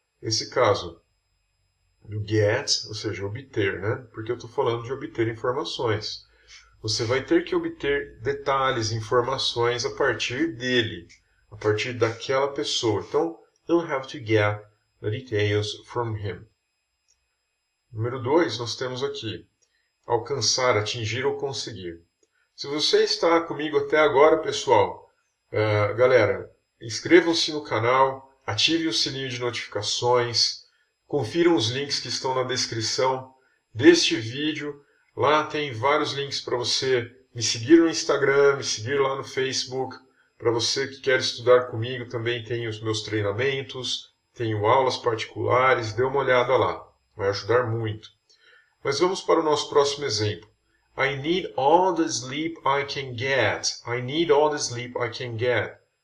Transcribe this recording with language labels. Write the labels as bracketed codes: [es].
[pt] Esse caso do get, ou seja, obter, né? Porque eu estou falando de obter informações. Você vai ter que obter detalhes, informações a partir dele, a partir daquela pessoa. Então, [en] you'll have to get the details from him. [pt] Número 2, nós temos aqui: alcançar, atingir ou conseguir. Se você está comigo até agora, pessoal, galera, inscrevam-se no canal, ativem o sininho de notificações, confiram os links que estão na descrição deste vídeo. Lá tem vários links para você me seguir no Instagram, me seguir lá no Facebook. Para você que quer estudar comigo, também tem os meus treinamentos, tenho aulas particulares, dê uma olhada lá, vai ajudar muito. Mas vamos para o nosso próximo exemplo. [en] I need all the sleep I can get. I need all the sleep I can get.